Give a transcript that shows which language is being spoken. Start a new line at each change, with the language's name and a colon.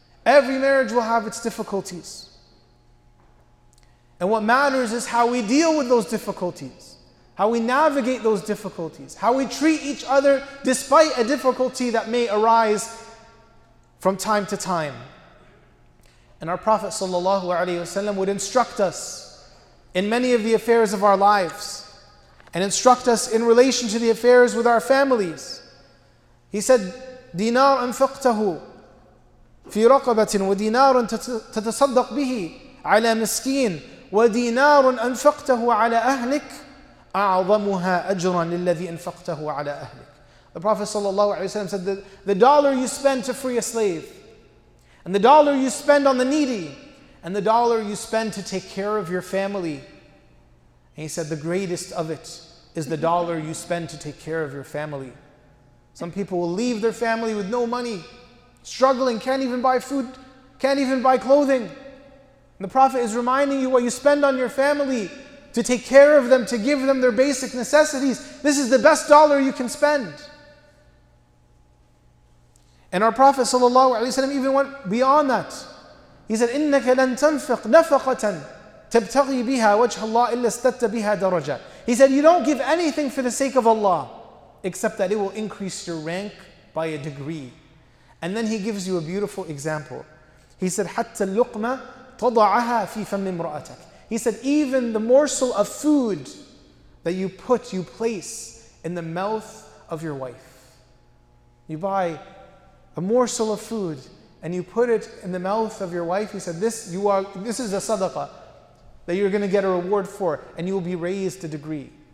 English: Every marriage will have its difficulties. And what matters is how we deal with those difficulties, how we navigate those difficulties, how we treat each other despite a difficulty that may arise from time to time. And our Prophet ﷺ would instruct us in many of the affairs of our lives and instruct us in relation to the affairs with our families. He said,
Arabic: "Dinar anfaqtahu." في رقبة ودينار تتصدق به على مسكين ودينار أنفقته على أهلك أعظمها أجرا للذي أنفقته على أهلك.
English: The Prophet sallallahu alaihi wasallam said that the dollar you spend to free a slave, and the dollar you spend on the needy, and the dollar you spend to take care of your family, and he said the greatest of it is the dollar you spend to take care of your family. Some people will leave their family with no money, struggling, can't even buy food, can't even buy clothing. And the Prophet is reminding you what you spend on your family to take care of them, to give them their basic necessities. This is the best dollar you can spend. And our Prophet ﷺ even went beyond that. He said,
Arabic: إِنَّكَ لَن تَنْفِقْ نَفَقَةً تَبْتَغِي بِهَا وَجْهَ اللَّهِ إِلَّا اسْتَتَّ بِهَا دَرَجَةً.
English: He said, you don't give anything for the sake of Allah, except that it will increase your rank by a degree. And then he gives you a beautiful example. He said,
Arabic: حَتَّى اللُّقْمَ تَضَعَهَا فِي فَمِّ امْرَأَتَكَ.
English: He said, even the morsel of food that you place in the mouth of your wife. You buy a morsel of food and you put it in the mouth of your wife. He said, this is a sadaqah that you're going to get a reward for, and you will be raised a degree.